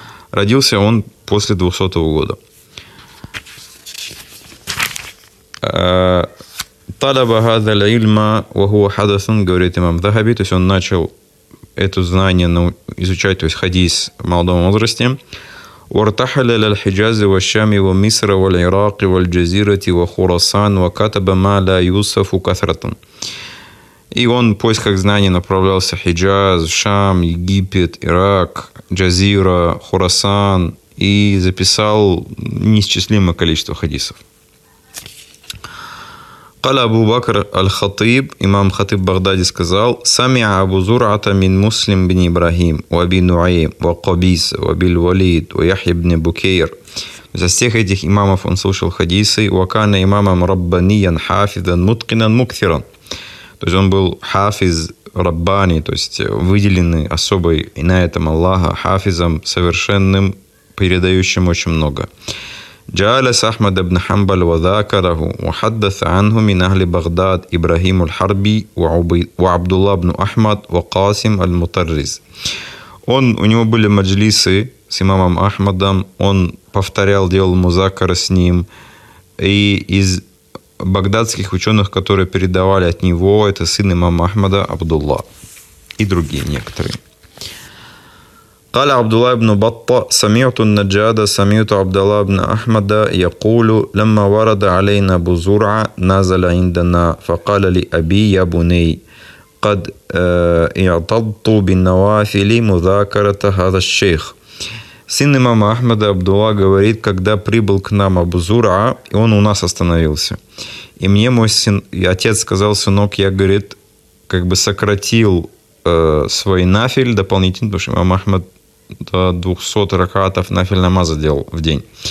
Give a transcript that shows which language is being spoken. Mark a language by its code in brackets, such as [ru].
[ru] Родился он после 200 года. [ar] Талаба хаза аль-илма ва хуа хадасун, [ru] говорит имам Дзахаби, то есть он начал это знание изучать, то есть хадис в молодом возрасте. [ar] وارتحل إلى الحجاز والشام ومصر والعراق والجزيرة وخراسان وكتب ما لا يوصف كثرة. [ru] И он в поисках знаний направлялся в Хиджаз, Шам, Египет, Ирак, Джазира, Хурасан и записал неисчислимое количество хадисов. [ar] قال أبو بكر الخطيب, [ru] имам Хатиб Багдади сказал: [ar] سمع أبو زرعة من مسلم بن إبراهيم وأبي نعيم وقبيس وأبي الوليد ويحيى بن بكير. [ru] За всех этих имамов он слушал хадисы. [ar] وكان имамом ربانيا حافظا متقنا مكثرا. [ru] То есть он был хафиз раббани, то есть выделенный особой инаятом Аллаха, хафизом совершенным, передающим очень много. [ar] جالس أحمد بن حنبل وذاكره وحدث عنه من أهل بغداد إبراهيم الحربي وعبد الله بن أحمد وقاسم المطرز. [ru] Он, у него были маджлисы с имамом Ахмадом, он повторял, делал музакара с ним, и из багдадских ученых, которые передавали от него, это сын имама Ахмада Абдулла и другие некоторые. [ar] قال عبد الله بن بطة سمعت النجاد سمعت عبد الله بن أحمد يقول لما ورد علينا أبو زرعة نازل عندنا فقال لأبي يا بني قد اعتضت بالنوافل مذاكرة هذا الشيخ. [ru] Сын имама Ахмада Абдулла говорит, когда прибыл к нам Абу Зура, и он у нас остановился. И мне мой сын, и отец сказал, сынок, я, говорит, как бы сократил свой нафиль дополнительно, потому что имам Ахмад до 200 ракатов нафиль намаза делал в день.